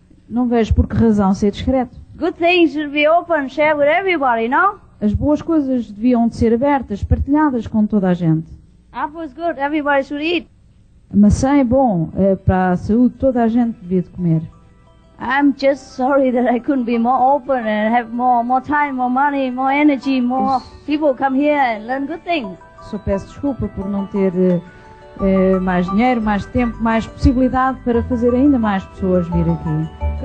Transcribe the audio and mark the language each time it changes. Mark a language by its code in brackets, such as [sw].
[pt] Não vejo por que razão ser discreto. [en] Good things should be open, share with everybody, no? [pt] As boas coisas deviam de ser abertas, partilhadas com toda a gente. [en] Apple is good, everybody should eat. [pt] A maçã é bom, é para a saúde, toda a gente devia de comer. [en] I'm just sorry that I couldn't be more open and have more time, more money, more energy, more people come here and learn good things. [pt] Só peço desculpa por não ter mais dinheiro, mais tempo, mais possibilidade para fazer ainda mais pessoas vir aqui.